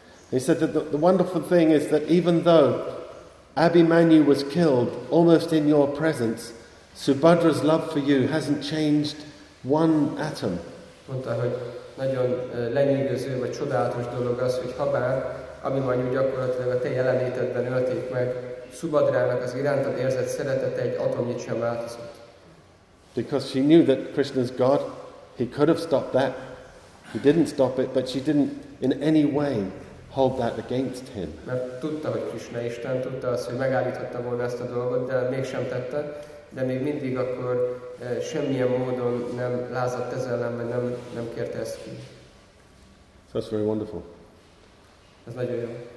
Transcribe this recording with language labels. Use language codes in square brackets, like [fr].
[en] He said that the wonderful thing is that even though Abhimanyu was killed almost in your presence, Subhadra's love for you hasn't changed one atom. [hu] Mondta, hogy nagyon lenyűgöző vagy csodálatos dolog az, hogy habár Abhimanyu gyakorlatilag a te jelenlétedben ölték meg, Subhadrának az irántad érzett szeretete egy atomnyit sem változott. [en] Because she knew that Krishna's God, he could have stopped that. He didn't stop it, but she didn't in any way hold that against him. [hu] Mert tudta, hogy Krishna Isten, tudta azt, hogy megállította volna ezt a dolgot, de mégsem tette, de még mindig akkor semmilyen módon nem lázadt ez ellen, vagy nem kérte ezt ki. [en] So that's very wonderful. [hu] Ez nagyon jó.